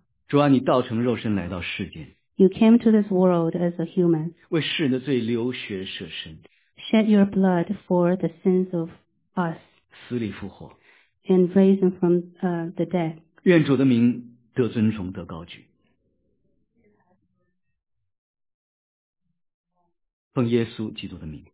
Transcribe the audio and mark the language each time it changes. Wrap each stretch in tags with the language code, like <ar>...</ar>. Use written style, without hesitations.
<zh>主啊，你道成肉身来到世间。</zh> <en>You came to this world as a human.</en> <zh>为世人的罪流血舍身。</zh> <en>Shed your blood for the sins of us.</en> <zh>死里复活</zh> <en>and raised from the dead.</en> <zh>愿主的名得尊崇得高举，奉耶稣基督的名。</zh>